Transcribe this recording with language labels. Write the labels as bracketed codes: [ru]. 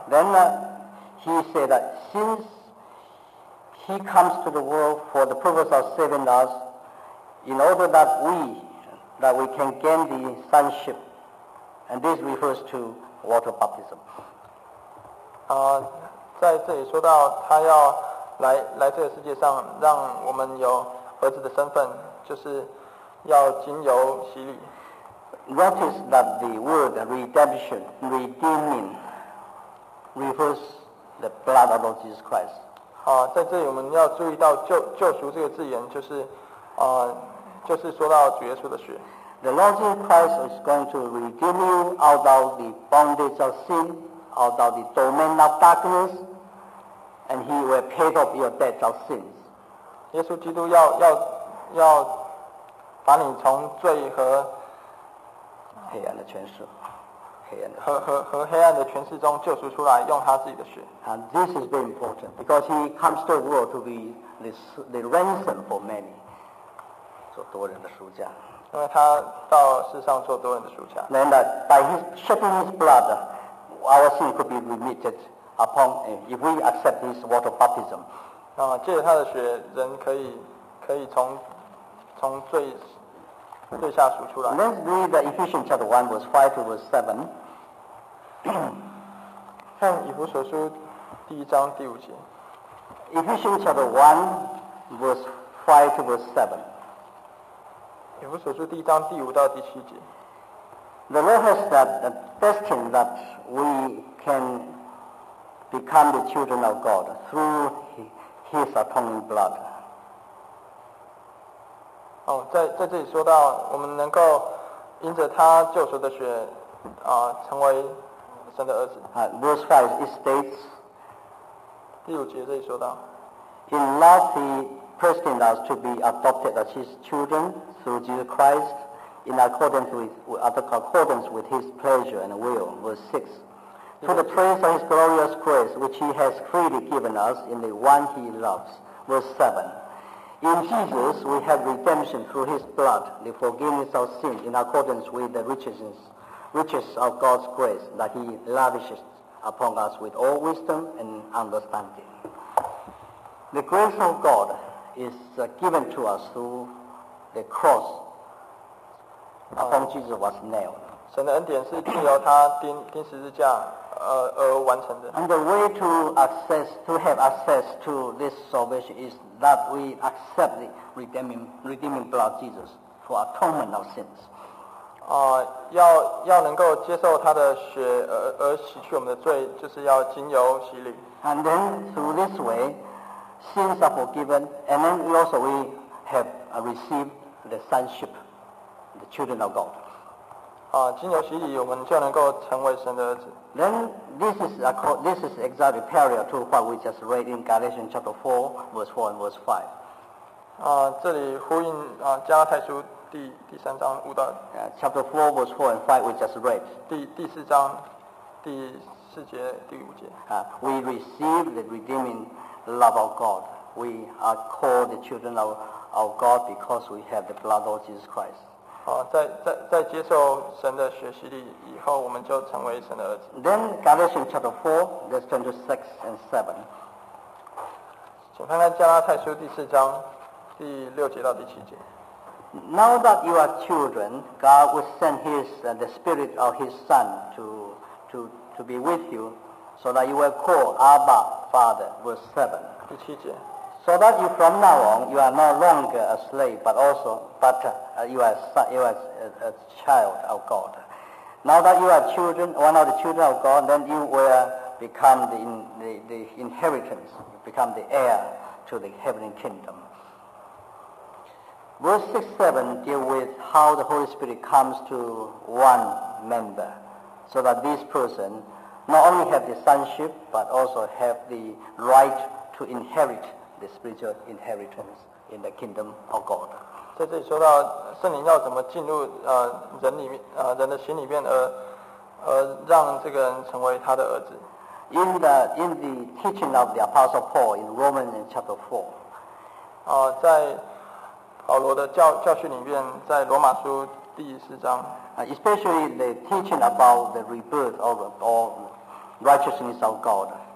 [en] Then he said that since he comes to the world for the purpose of saving us, in order that we can gain the sonship, and this refers to. Water baptism. [zh] 在这里说到他要来这个世界上，让我们有儿子的身份，就是要经由洗礼。 [en] Notice that the word redemption, redeeming, refers the blood of Jesus Christ. [zh] 在这里我们要注意到救赎这个字眼，就是说到主耶稣的血。 [en] The Lord Jesus Christ is going to redeem you out of the bondage of sin, out of the domain of darkness, and he will pay off your debt of sins. [zh] 耶稣基督要把你从罪和黑暗的权势黑暗的权势中救赎出来，用他自己的血。 [en] And this is very important because he comes to the world to be the ransom for many. [zh] 做多人的赎价。因为他到世上做多人的赎价。 [en] Then that by his shedding his blood, our sin could be remitted upon if we accept his water baptism. [zh] 借着他的血，人可以从罪下赎出来。 [en] Let's read the Ephesians chapter 1, verse 5 to verse 7. [zh] 看以弗所书第一章第五节。 [en] Ephesians chapter 1, verse 5 to verse 7. [zh] 以弗所书第一章第五到第七节。 [en] The Lord has that destined that we can become the children of God through His atoning blood. [zh] 在这里说到，我们能够因着他救赎的血，成为神的儿子。 [en] Verse 5 it states. [zh] 第五节这里说到。 [en] In love, He predestined us to be adopted as His children. Through Jesus Christ, in accordance with His pleasure and will, verse 6. To the praise of His glorious grace, which He has freely given us in the one He loves, verse 7. In Jesus, we have redemption through His blood, the forgiveness of sin, in accordance with the riches of God's grace that He lavishes upon us with all wisdom and understanding. The grace of God is given to us throughthe cross upon Jesus was nailed. [zh] 神的恩典是藉由他钉十字架而完成的。 [en] And the way to access, to have access to this salvation is that we accept the redeeming blood of Jesus for atonement of sins. [zh] 要能够接受他的血而洗去我们的罪，就是要经由洗礼。 [en] And then through this way, sins are forgiven, and then also we have received the sonship, the children of God. [zh] 经由洗礼，我们就能够成为神的儿子。 [en] Then this is exactly parallel to what we just read in Galatians chapter 4:4-5. [zh] 这里呼应加拉太书第三章五到。 [en] Chapter 4:4-5 we just read. [zh] 第四章第四节第五节。 [en] We receive the redeeming love of God. We are called the children of God because we have the blood of Jesus Christ. [zh] 在接受神的血洗礼以后，我们就成为神的儿子。 [en] Then Galatians chapter 4:6-7. [zh] 请翻开加拉太书第四章第六节到第七节。 [en] Now that you are children, God will send His the Spirit of His Son to be with you, so that you will call Abba, Father. Verse 7. [zh] 第七节。 [en] So that you from now on you are no longer a slave, but you are a child of God. Now that you are children, one of the children of God, then you will become the inheritance, become the heir to the heavenly kingdom. Verse 6-7 deal with how the Holy Spirit comes to one member, so that this person not only have the sonship but also have the right to inherit the spiritual inheritance in the kingdom of God. [zh] 在这里说到圣灵要怎么进入人里面人的心里面而让这个人成为他的儿子。 [en] In the teaching of the Apostle Paul in Romans chapter 4. [zh] 在保罗的教训里面，在罗马书第四章。 [en] Especially the teaching about the rebirth of all righteousness of God.